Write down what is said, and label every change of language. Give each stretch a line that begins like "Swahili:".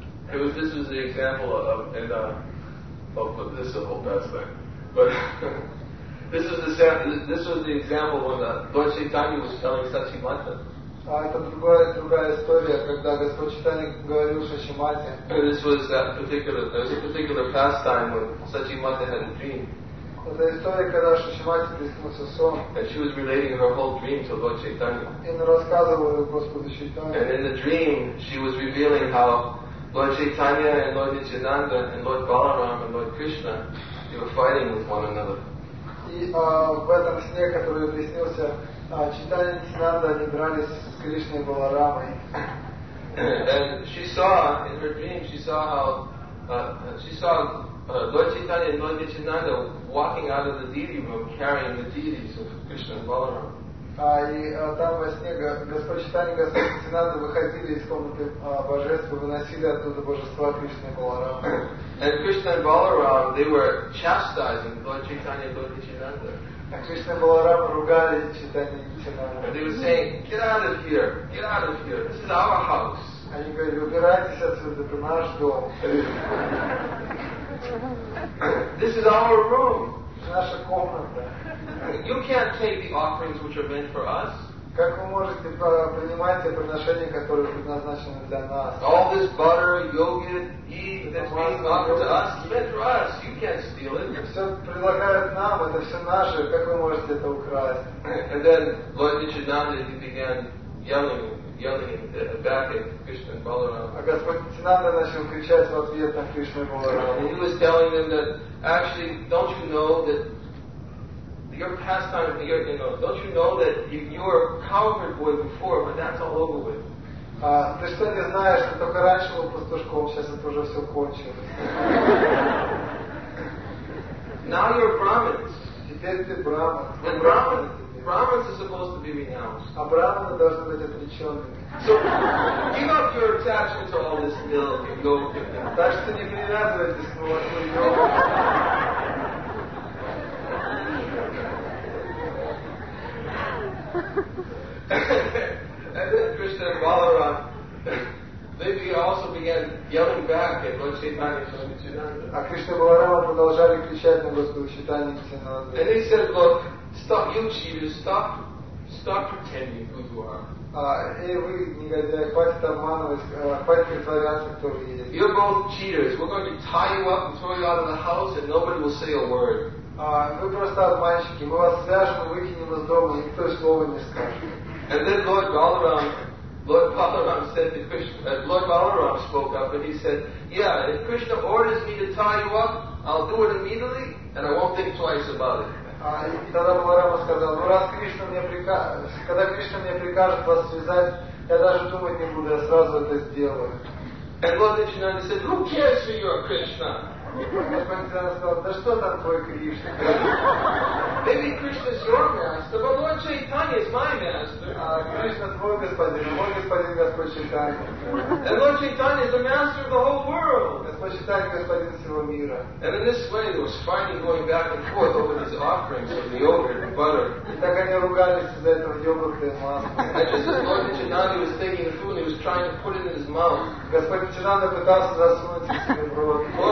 English: This was the example of, and this is a whole best thing. But this was the example when Lord Chaitanya was telling Sachimata.
Russian: Это другая история, когда Господь Чайтанья говорил Сачимате.
English: This was that particular. There was a particular pastime when Sachimata had a dream.
Russian: эта история, когда Шачимати приснулся сон.
English: And she was relating her whole dream to Lord Chaitanya.
Russian: И она рассказывала Господу Чайтанье.
English: And in the dream, she was revealing how Lord Chaitanya and Lord Nityananda and Lord Balaram and Lord Krishna, they were fighting with one another.
Russian: И в этом сне, который приснился, Чайтанья Нитинанда, они дрались с Кришной Баларамой.
English: And she saw in her dream, she saw Lord Chaitanya and Lord Nityananda walking out of the deity room carrying the deities of Krishna and Balaram.
Russian: И там во сне Господь Чайтанья и Господь Нитинанда выходили из комнаты божества, выносили оттуда божества Кришны и Баларамы.
English: And Krishna and Balaram, they were chastising Lord Chaitanya and Lord Nityananda.
Russian: А Кришна и Баларама ругали Чайтанья и Нитинанда.
English: And they were saying, get out of here, get out of here, this is our house.
Russian: Они говорили, убирайтесь отсюда, это наш дом.
English: This is our room.
Russian: Наша комната.
English: You can't take the offerings which are meant for us.
Russian: Как вы можете принимать те приношения, которые предназначены для нас?
English: All this butter, yogurt, ghee that's being offered to us, it's meant for us. You can't steal it.
Russian: Все предлагают нам, это все наше. Как вы можете это украсть?
English: And then Lord Nityananda, he began yelling back at Krishna and Balaram.
Russian: А Господь Нитинанда начал кричать в ответ на Кришну и Баларама.
English: He was telling them that actually, don't you know that your pastime of the year, you know, don't you know that you were a cowherd boy before, but that's all over with.
Russian: Ты что не знаешь, что только раньше был пастушком, сейчас это уже все кончилось.
English: Now you're Brahmins.
Russian: Теперь ты Брахман.
English: And Brahmins are supposed to be renounced.
Russian: А Брахманы должны быть отреченными.
English: So give up your attachment to all this milk and goat.
Russian: Так что не привязывайтесь к молоку и йогу.
English: And then Krishna and Balaram, they also began yelling back at Lord Chaitanya and Lord Nityananda.
Russian: А Кришна и Баларама продолжали кричать на Господа Чайтанью и Нитинанду.
English: And they said, "Look, stop, you cheaters, stop pretending who you are."
Russian: Вы негодяи, хватит обманывать, хватит притворяться, кто вы есть.
English: You're both cheaters. We're going to tie you up and throw you out of the house, and nobody will say a word.
Russian: Вы просто обманщики. Мы вас свяжем, выкинем из дома, никто и слова не скажет.
English: And then Lord Balaram said to Krishna. Lord Balaram spoke up and he said, "Yeah, if Krishna orders me to tie you up, I'll do it immediately, and I won't think twice about it."
Russian: И тогда Баларама сказал, ну раз Кришна мне прикажет, когда Кришна мне прикажет вас связать, я даже думать не буду, я сразу это сделаю.
English: And Lord Nityananda said, "Who cares who you are, Krishna?"
Russian: Да что там твой Кришна?
English: Maybe Krishna's your master, but Lord Chaitanya is my master.
Russian: Кришна твой господин, мой господин Господь Чайтанья.
English: And Lord Chaitanya is the master of the whole world.
Russian: Господь Чайтанья господин всего мира.
English: And in this way they were fighting, going back and forth over these offerings of the yogurt and butter.
Russian: И так они ругались из-за этого йогурта и масла.
English: And just as Lord Chaitanya was taking the food, he was trying to put it in his mouth.
Russian: Господь Чайтанья пытался засунуть в себе в рот.